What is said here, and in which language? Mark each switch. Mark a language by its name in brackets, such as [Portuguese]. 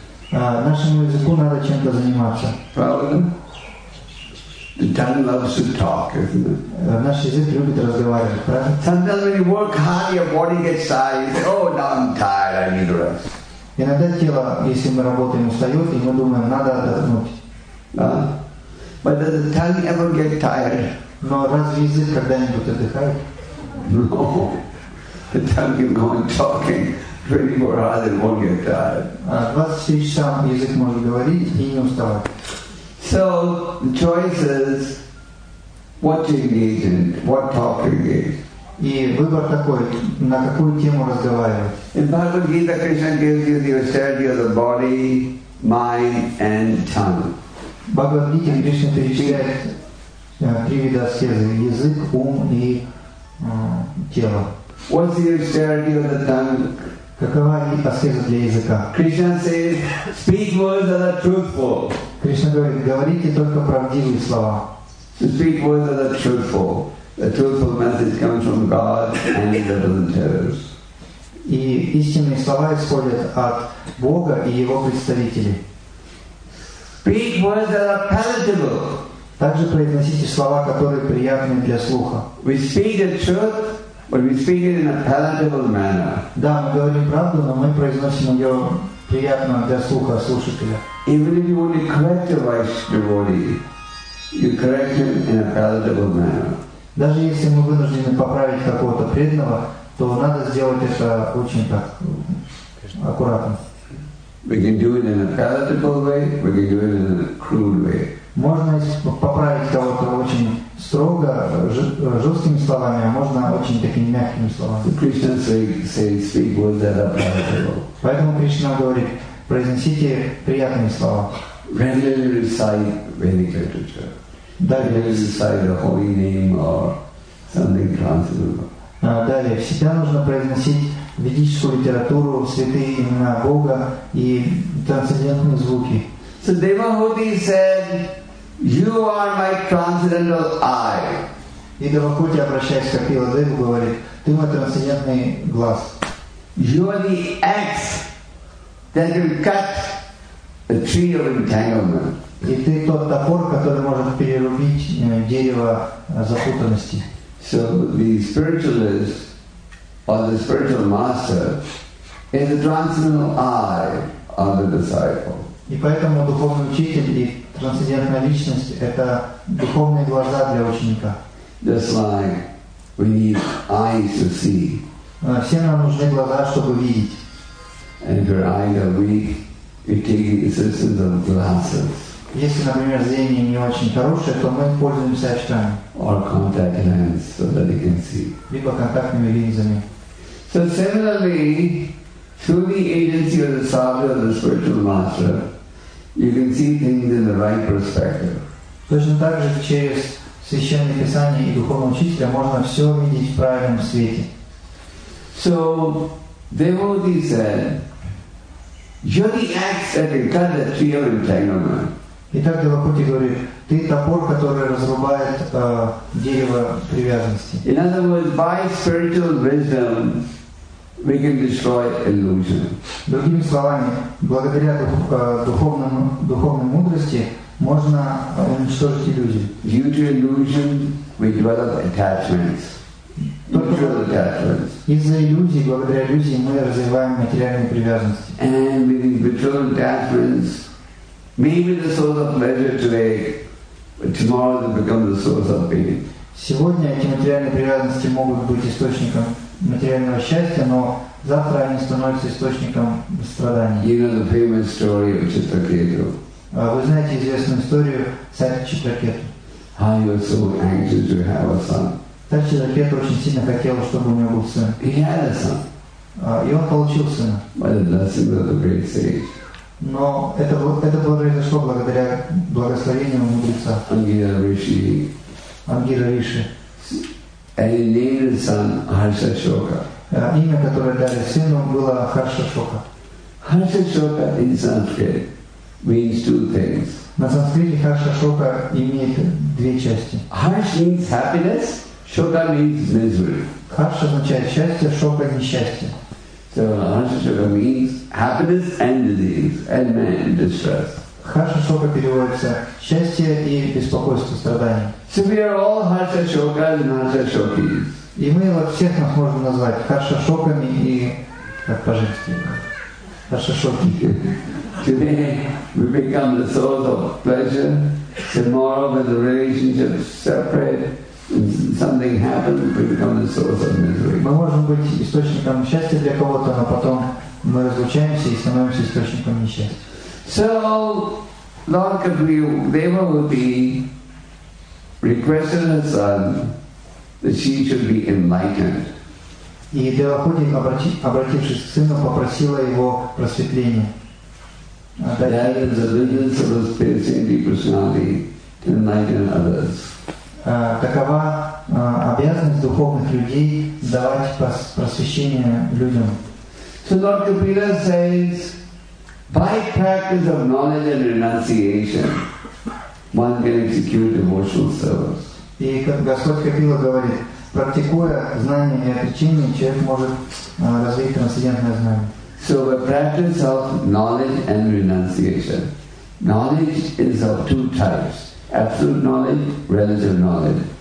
[Russian] Нашему языку надо чем-то заниматься. [English] The tongue loves to talk, isn't it? [Russian] Наш язык любит разговаривать, правильно? [English] Sometimes when you work hard, your body gets tired. Oh, now I'm tired, I need rest. [Russian] Иногда тело, если мы работаем, устает, и мы думаем, надо отдохнуть. [English] But does the tongue ever get tired? [Russian] Но разве язык когда-нибудь отдыхает? [English] No. The tongue can go on talking 24 hours and won't get tired. [Russian] 24 часа язык может говорить и не уставать. [English] So, the choice is what to engage in, what talk to engage. [Russian] И выбор такой, на какую тему разговаривать. [English] In Bhagavad Gita, Krishna gives you the austerity of the body, mind and tongue. [Russian] Bhagavad Gita, Krishna перечисляет три вида аскезы – язык, ум и тело. [English] What's the austerity of the tongue? [Russian] Какова аскеза для языка? [English] Krishna says, speak words that are truthful. [Russian] Кришна говорит, говорите только правдивые слова. [English] So speak words that are truthful. The truthful message comes from God and the volunteers. [Russian] И истинные слова исходят от Бога и Его представителей. [English] Speak words that are palatable. [Russian] Также произносите слова, которые приятны для слуха. [English] We speak the truth, but we speak it in a palatable manner. [Russian] Да, мы говорим правду, но мы произносим ее приятно для слуха, слушателя. [English] Even if you want to correct a wise devotee, you correct him in a palatable manner. [Russian] Даже если мы вынуждены поправить какого-то преданного, то надо сделать это очень так аккуратно. [English] We can do it in a palatable way, we can do it in a crude way. [Russian] Можно поправить кого-то очень строго, жесткими словами, а можно очень такими мягкими словами. [English] Krishna says, speak words that are palatable. [Russian] Поэтому Кришна говорит, произносите приятные слова. [English] Regularly recite Vedic literature. Regularly recite the holy name or something transcendental. [Russian] Далее, всегда нужно произносить ведическую литературу, святые имена Бога и трансцендентные звуки. [English] So Devahuti said, "You are my transcendental eye." [Russian] И Девахути, обращаясь к Капиладеву, говорит, ты мой трансцендентный глаз. [English] You are the axe that can cut the tree of entanglement. [Russian] И ты тот топор, который может перерубить дерево запутанности. [English] So the spiritualist or the spiritual master is the transcendental eye of the disciple. [Russian] И поэтому духовный учитель и трансцендентная личность – это духовные глаза для ученика. [English] Just like we need eyes to see. [Russian] Все нам нужны глаза, чтобы видеть. [English] And if your eyes are weak, you take the assistance of glasses. [Russian] Если, например, зрение не очень хорошее, то мы пользуемся очками. [English] Or contact lens so that you can see. [Russian] Либо контактными линзами. [English] So similarly, through the agency of the sabha of the spiritual master, you can see things in the right perspective. [Russian] Точно так же через Священное Писание и Духовного Учителя можно все видеть в правильном свете. [English] So, devotee said, you're the axe that can cut the tree of entanglement. [Russian] Итак, Девахути говорит, ты топор, который разрубает дерево привязанности. [English] In other words, by spiritual wisdom, we can destroy illusion. [Russian] Другими словами, благодаря духовной мудрости, можно уничтожить иллюзию. [English] Due to illusion, we develop attachments. Mutual attachments. [Russian] Из-за иллюзий, благодаря иллюзии, мы развиваем материальные привязанности. [English] And with these mutual attachments, maybe the source of pleasure today, but tomorrow they become the source of pain. [Russian] Сегодня эти материальные привязанности могут быть источником материального счастья, но завтра они становятся источником страданий. [English] You know the famous story of Chittaketu. [Russian] Вы знаете известную историю Сатчитракету. [English] How he was so anxious to have a son. [Russian] Сатчитракету очень сильно хотел, чтобы у него был сын. [English] He had a son. [Russian] И он получил сына. [English] By the blessing of the great sage. [Russian] Но это произошло благодаря благословению мудреца. Ангира Риши. Ангира Риши. [English] And he named his son Harsha Shoka. [Russian] Имя, которое дали сыну, было Харша Шока. [English] Харша Шока in Sanskrit means two things. [Russian] На санскрите Харша Шока имеет две части. [English] Harsh means happiness, Shoka means misery. [Russian] Харша означает счастье, Шока несчастье. [English] So Harsha Shoka means happiness and disease and man in distress. [Russian] Харша Шока переводится счастье и беспокойство, страдание. [English] So we are all Harsha Shoka and Harsha Shoki. [Russian] И мы вот всех нас можем назвать Харша Шоками и как по-женски. Харша Шоки. [English] Today we become the source of pleasure. Tomorrow when the relationship is separate and something happens, we become the source of misery. [Russian] Мы можем быть источником счастья для кого-то, но потом мы разлучаемся и становимся источником несчастья. [English] So Lord Devahuti requested her son that she should be enlightened. [Russian] И Девахути, обратившись к сыну, попросила его просветления. [English] That is the business of the spirit saintly personality to enlighten others. [Russian] Такова обязанность духовных людей давать просвещение людям. [English] So Lord Kapila says, by practice of knowledge and renunciation, one can execute devotional service. [Russian] И как Господь Капила говорит, практикуя знание и отречение, человек может развить трансцендентное знание. [English] So the practice of knowledge and renunciation. Knowledge is of two types: absolute knowledge, relative knowledge.